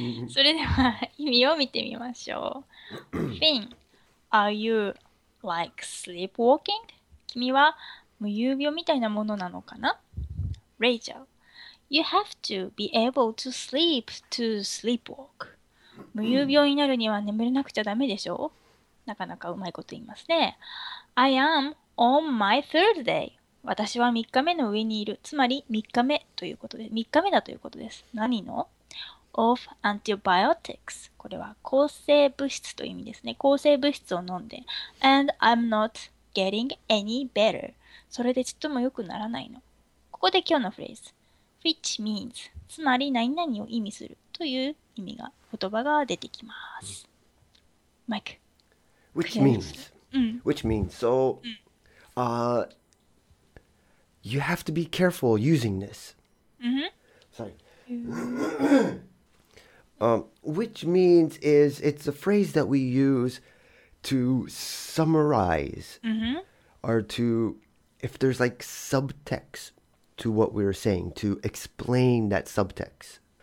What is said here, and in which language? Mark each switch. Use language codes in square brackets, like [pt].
[ja] それでは意味を見てみましょう。 [en] Finn, are you like sleepwalking? [ja] 君は無遊病みたいなものなのかな? [en] Rachel, you have to be able to sleep to sleepwalk. [ja] 無遊病になるには眠れなくちゃダメでしょ?なかなかうまいこと言いますね。 [en] I am on my third day. [ja] 私は3日目の上にいる。つまり3日目ということで、3日目だということです。何の [en] ?of antibiotics. [ja] これは抗生物質という意味ですね。抗生物質を飲んで。 [en] And I'm not getting any better. [ja] それでちょっとも良くならないの。ここで今日のフレーズ。 [en] which means. [ja] つまり何々を意味するという意味が、言葉が出てきます。マイク。 [en] Which means, so, you have to be careful using this. Sorry. which means is it's a phrase that we use to summarize or to, if there's like subtext to what we're saying, to explain that subtext.